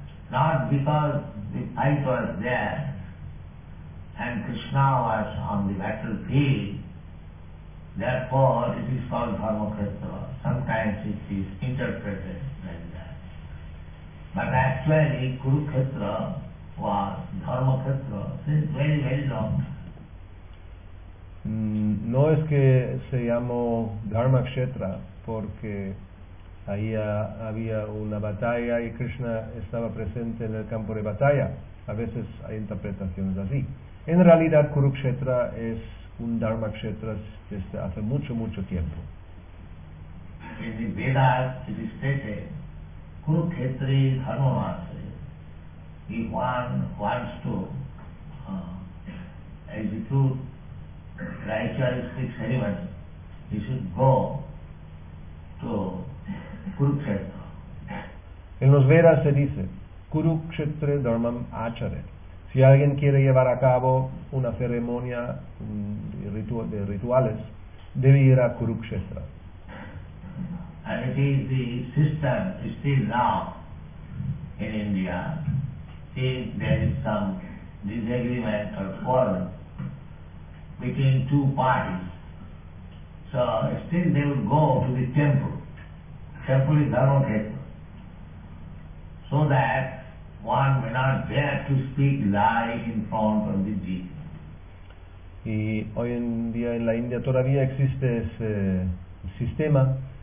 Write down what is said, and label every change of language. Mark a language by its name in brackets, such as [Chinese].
[English] Not because the fight was there and Krishna was on the battlefield, therefore it is called Dharma Kshetra. Sometimes it is interpreted like that. But actually, Kurukshetra was Dharma Kshetra since very, very long. [Spanish] No es que se llamó Dharma Kshetra porque ahí había una batalla y Krishna estaba presente en el campo de batalla. A veces hay interpretaciones así. En realidad, Kurukshetra es un Dharma Kshetra desde hace mucho, mucho tiempo. [English] In the Vedas, it is stated, Kurukshetra is Dharma Master. If one wants to execute ritualistic ceremony, he should go to Kurukshetra. [Spanish] En los Vedas se dice, [Sanskrit] Kurukshetra Dharmam Achare. [Spanish] Si alguien quiere llevar a cabo una ceremonia de rituales, debe ir a Kurukshetra. [English] And it is the system still now in India. If there is some disagreement or quarrel between two parties, so still they will go to the temple. Temple is Dharma Kshetra. So that one may not dare to speak lies in front of the Jeev. [Spanish] Y hoy en día en la India todavía existe ese sistema.